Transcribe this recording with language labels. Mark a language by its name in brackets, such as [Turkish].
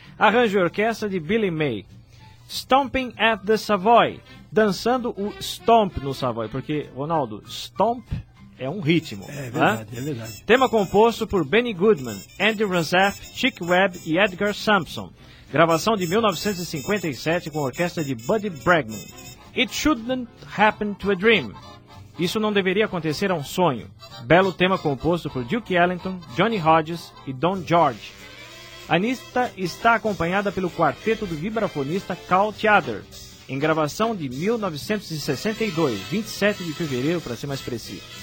[Portuguese] Arranjo e orquestra de Billy May. Stomping at the Savoy. Dançando o stomp no Savoy. Porque, Ronaldo, stomp é um ritmo. É verdade, né? É verdade. Tema composto por Benny Goodman, Andy Ransaff, Chick Webb e Edgar Sampson. Gravação de 1957 com a orquestra de Buddy Bregman. [English] It shouldn't happen to a dream. [Portuguese] Isso não deveria acontecer a um sonho. Belo tema composto por Duke Ellington, Johnny Hodges e Don George. Anitta está acompanhada pelo quarteto do vibrafonista Carl Tjader, em gravação de 1962, 27 de fevereiro, para ser mais preciso.